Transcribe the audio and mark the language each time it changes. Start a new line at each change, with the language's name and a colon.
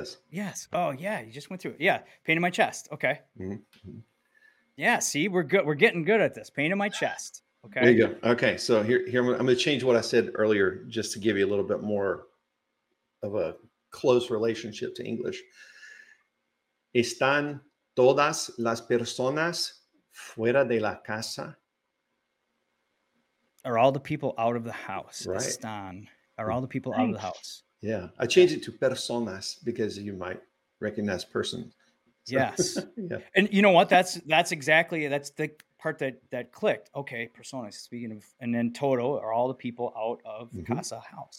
English: Yes. Oh, yeah. You just went through it. Yeah. Pain in my chest. Okay. Yeah. See, we're good. We're getting good at this. Pain in my chest. Okay. There you go. Okay. So here I'm going to change what I said earlier just to give you a little bit more of a close relationship to English.
Spanish: ¿Están todas las personas fuera de la casa?
English: Are all the people out of the house? Right.
Spanish: ¿Están?
English: Are all the people out of the house? Yeah. I changed it to personas because you might recognize person. So, yes. Yeah. And you know what? That's the part that clicked. Okay. Personas, speaking of, and then total are all the people out of the casa house.